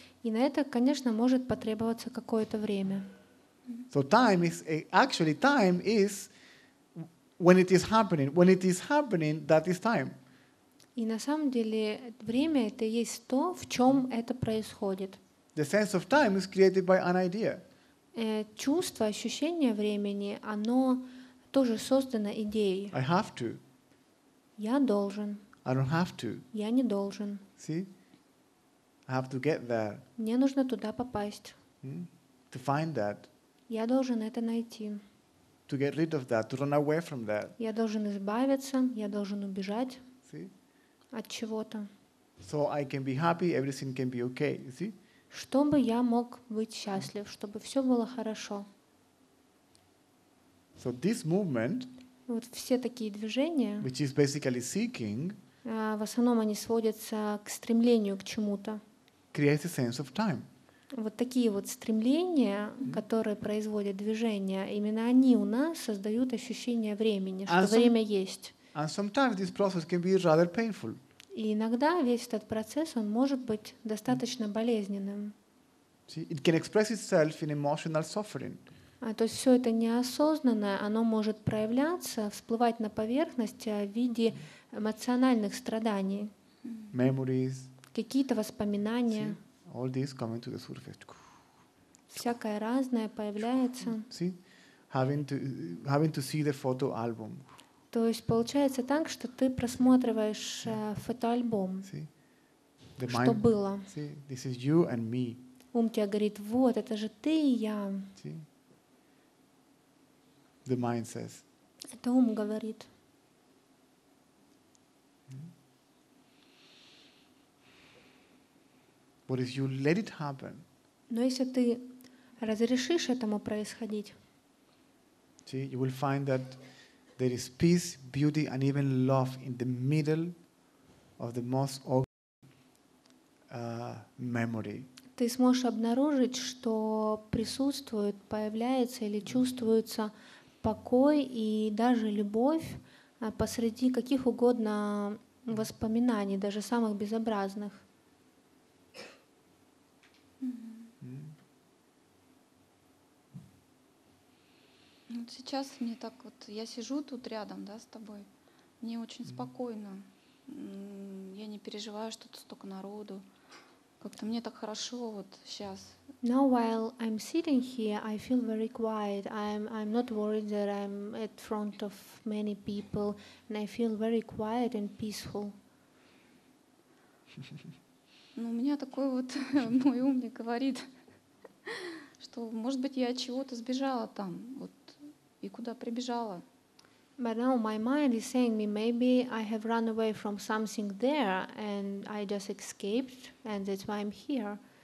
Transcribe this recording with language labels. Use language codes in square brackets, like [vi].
[ru] И на это, конечно, может потребоваться какое-то время. [en] So time is actually time is when it is happening. When it is happening, that is time. [ru] И на самом деле время это есть то, в чем это происходит. [en] The sense of time is created by an idea. [ru] Чувство, ощущение времени, оно тоже создано идеей. [en] I have to. [ru] Я должен. [en] I don't have to. [ru] Я не должен. [en] See? I have to get there. [ru] Мне нужно туда попасть. [en] Hmm? To find that. [ru] Я должен это найти. [en] To get rid of that, to run away from that. [ru] Я должен избавиться, я должен убежать. [en] See? [ru] От чего-то. [en] So I can be happy, everything can be okay. You see? [ru] Чтобы я мог быть счастлив, чтобы все было хорошо. [en] So this movement, [ru] вот все такие движения, [en] which is basically seeking, [ru] в основном они сводятся к стремлению к чему-то. [en] Create a sense of time. [ru] Вот такие вот стремления, которые производят движение, именно они у нас создают ощущение времени, что время есть. [en] And sometimes this process can be rather painful. [ru] И иногда весь этот процесс, он может быть достаточно болезненным. [en] It can express itself in emotional suffering. [ru] То есть все это неосознанное, оно может проявляться, всплывать на поверхность в виде эмоциональных страданий. [en] Memories. [ru] Какие-то воспоминания. [en] See? All these coming to the surface. [ru] Всякое разное появляется. [en] See? Having to see the photo album. [ru] То есть получается так, что ты просматриваешь фотоальбом, [en] see, [ru] mind, что было. [en] See, this is you and me. [ru] Ум тебя говорит, вот, это же ты и я. [en] See? The mind says. [ru] Это ум говорит. [en] But if you let it happen, [ru] но если ты разрешишь этому происходить, [en] see, you will find that there is peace, beauty, and even love in the middle of the most ugly memory. [ru] Ты сможешь обнаружить, что присутствует, появляется или чувствуется покой и даже любовь посреди каких угодно воспоминаний, даже самых безобразных. Вот сейчас мне так вот, я сижу тут рядом, да, с тобой, мне очень спокойно, я не переживаю, что тут столько народу, как-то мне так хорошо вот сейчас. [en] Now while I'm sitting here, I feel very quiet, I'm not worried that I'm at front of many people, and I feel very quiet and peaceful. [ru] Ну, у меня такой вот, мой ум мне говорит, что, может быть, я от чего-то сбежала там, вот. И куда прибежала? [en] But now my mind is saying me, maybe I have run away from something there and I just escaped and that's why I'm here.